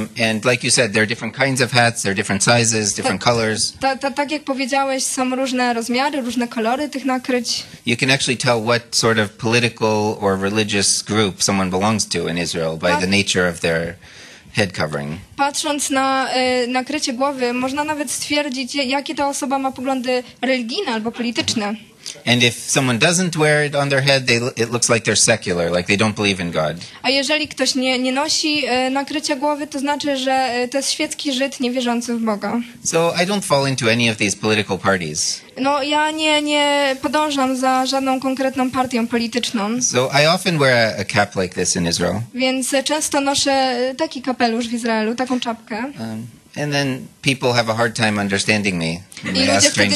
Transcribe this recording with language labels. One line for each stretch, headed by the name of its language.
English: And like you said, there are different kinds of hats, there are different sizes, different colors.
Polish: Tak jak powiedziałeś, są różne rozmiary, różne kolory tych nakryć.
English: You can actually tell what sort of political or religious group someone belongs to in Israel by the nature of their head covering.
Polish: Patrząc na nakrycie głowy, można nawet stwierdzić, jakie ta osoba ma poglądy religijne albo polityczne.
English: And if someone doesn't wear it on their head, it looks like they're secular, like they don't believe in God.
Polish: A jeżeli ktoś nie nosi nakrycia głowy, to znaczy, że to jest świecki Żyd niewierzący w Boga.
English: So I don't fall into any of these political parties.
Polish: No ja nie podążam za żadną konkretną partią polityczną.
English: So I often wear a cap like this in Israel.
Polish: Więc często noszę taki kapelusz w Izraelu, taką czapkę.
English: And then people have a hard time understanding me when they ask strange